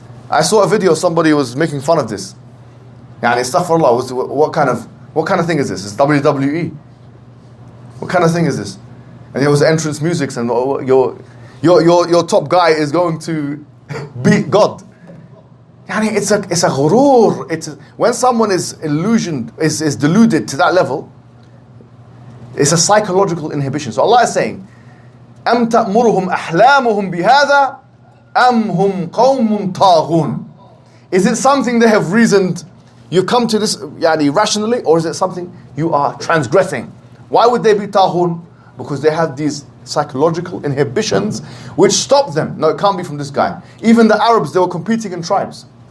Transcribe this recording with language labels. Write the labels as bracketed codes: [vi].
[en] I saw a video, somebody was making fun of this. Yani, astaghfirullah, what kind of thing is this? It's WWE. What kind of thing is this? And there was entrance music, and your top guy is going to beat God. Yani, it's a ghurur. When someone is illusioned, is deluded to that level, it's a psychological inhibition. So Allah is saying, [ar] أَمْ تَأْمُرُهُمْ أَحْلَامُهُمْ بِهَذَا أَمْ هُمْ قَوْمٌ طَاغُونَ. [en] Is it something they have reasoned? You come to this yani rationally, or is it something you are transgressing? Why would they be tahun? Because they have these psychological inhibitions which stop them. No, it can't be from this guy. Even the Arabs, they were competing in tribes.